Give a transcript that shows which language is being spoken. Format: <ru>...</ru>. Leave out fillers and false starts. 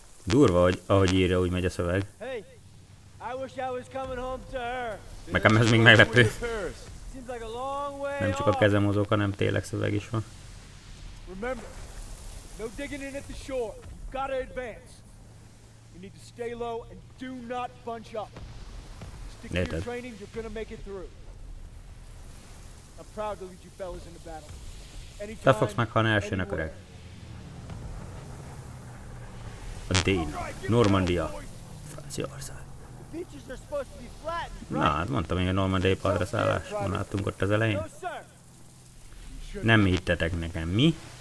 <hu>Durva, hogy ahogy írja, úgy megy a szöveg.</hu> <en>Hey, I wish I was coming home to her.</en> <hu>Nekem ez még meglepő.</hu> <en>Seems like a long way off.</en> <hu>Nem csak a kezem mozog, hanem tényleg szöveg is van.</hu> <en>Remember, no digging in at the shore. You've got to advance. You need to stay low and do not bunch up. Stick to your training, you're gonna make it through. I'm proud to lead you fellas in the battle.</en> <hu>Te fogsz meghalni elsőnek, öreg. A Dén, Normandia, Franciaország. Na, hát mondtam, hogy a Normandiai partra szállás, van láttunk ott az elején. Nem hittetek nekem, mi?</hu>